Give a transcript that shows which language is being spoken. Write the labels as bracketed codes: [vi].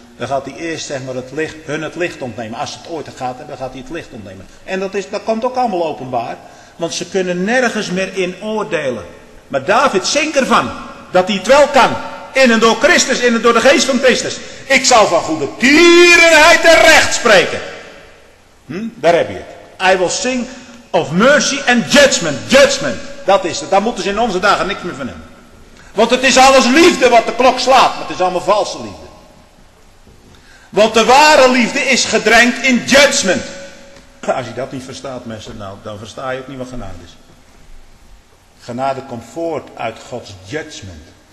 [nl] Dan gaat hij eerst zeg maar, hun het licht ontnemen. Als het ooit gaat, dan gaat hij het licht ontnemen. En dat komt ook allemaal openbaar. Want ze kunnen nergens meer in oordelen. Maar David zingt ervan dat hij het wel kan. In en door Christus, in en door de geest van Christus. Ik zal van goede tierenheid terecht spreken. Daar heb je het. [en] I will sing of mercy and judgment. [nl] Judgment. Dat is het. Daar moeten ze in onze dagen niks meer van hebben. Want het is alles liefde wat de klok slaat. Maar het is allemaal valse liefde. Want de ware liefde is gedrenkt in judgment. Als je dat niet verstaat, mensen, nou, dan versta je ook niet wat genade is. Genade komt voort uit Gods judgment.